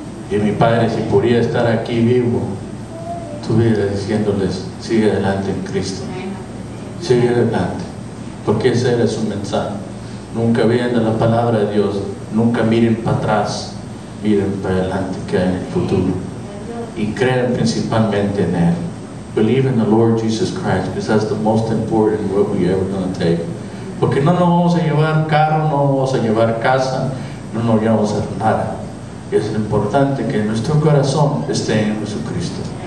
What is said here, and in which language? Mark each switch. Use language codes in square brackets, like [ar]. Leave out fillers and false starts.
[es] Y mi padre, si podía estar aquí vivo, estuviera diciéndoles, sigue adelante en Cristo. Sigue adelante. Porque ese era su mensaje. Nunca vean la palabra de Dios. Nunca miren para atrás. miren para adelante, que hay en el futuro. Y crean principalmente en Él. [en] Believe in the Lord Jesus Christ, because that's the most important what we're ever going to take. [es] Porque no nos vamos a llevar carro, no nos vamos a llevar casa, no nos vamos a hacer nada. Es importante que nuestro corazón esté en Jesucristo.